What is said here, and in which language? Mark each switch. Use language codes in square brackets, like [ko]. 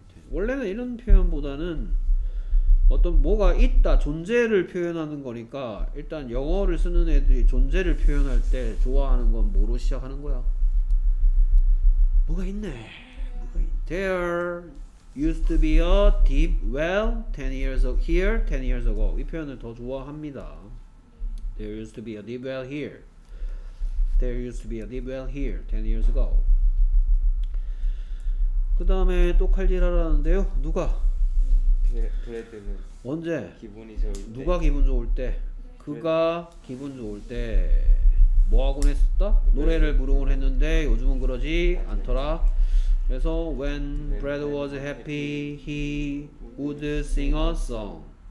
[ko] 원래는 이런 표현보다는 어떤 뭐가 있다, 존재를 표현하는 거니까 일단 영어를 쓰는 애들이 존재를 표현할 때 좋아하는 건 뭐로 시작하는 거야? 뭐가 있네. [en] There used to be a deep well 10 years ago. Here 10 years ago. [ko] 이 표현을 더 좋아합니다. [en] There used to be a deep well here. There used to be a deep well here 10 years ago. [ko] 그 다음에 또 칼질하라는데요. 누가? 브래드는 언제? 기분이 좋을 때. 누가 기분 좋을 때? 그가 기분 좋을 때 뭐하곤 했었다? 노래를 부르곤 했는데 요즘은 그러지 않더라. [en] 그래서 when Brad was happy, he would sing a song.